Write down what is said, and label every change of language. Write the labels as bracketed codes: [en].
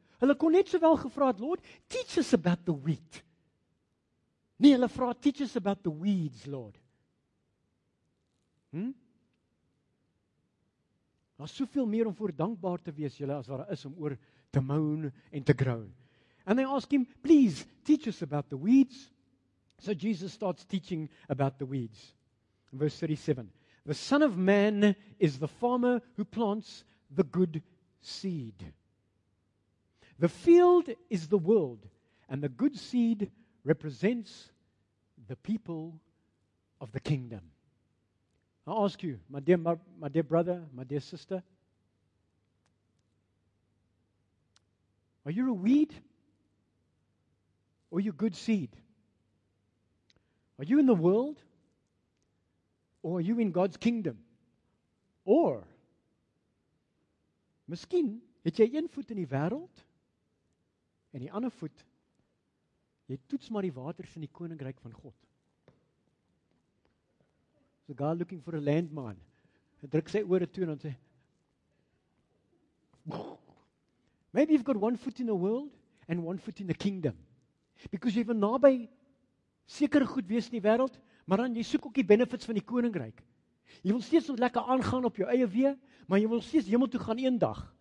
[af] Hulle kon net sowel gevra het, Lord, [en] teach us about the wheat. [af] Nee, hulle vra, [en] teach us about the weeds, Lord. [af] Daar is soveel meer om voor dankbaar te wees, julle, as wat daar is om oor te moan en te groan. [en] And they ask him, please, teach us about the weeds. So Jesus starts teaching about the weeds. Verse 37. The Son of Man is the farmer who plants the good seed. The field is the world, and the good seed represents the people of the kingdom. I ask you, my dear brother, my dear sister, are you a weed or are you good seed? Are you in the world or are you in God's kingdom? [af] Or, miskien het jy een voet in die wêreld en die ander voet, jy toets maar die waters in die koninkryk van God. [en] So God looking for a landman. [af] Hy druk sy ore toe en dan sê, [en] maybe you've got one foot in the world and one foot in the kingdom. [af] Because jy wil naby seker goed wees in die wêreld, maar dan jy soek ook die benefits van die koninkryk. Jy wil steeds ons lekker aangaan op jou eie weë, maar jy wil steeds hemel toe gaan een dag.